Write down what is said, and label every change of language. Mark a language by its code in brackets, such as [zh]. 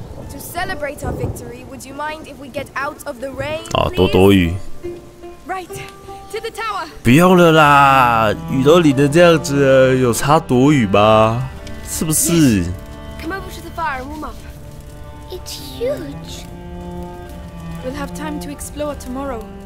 [en] To celebrate our victory, would you mind if we get out of the rain? [zh] 啊，多多雨。 [en] Right to the tower. [zh] 不用了啦，雨都淋得这样子了，有差多雨吗？是不是 [en] yes. ？Come over to the fire and warm up. It's huge. We'll have time to explore tomorrow.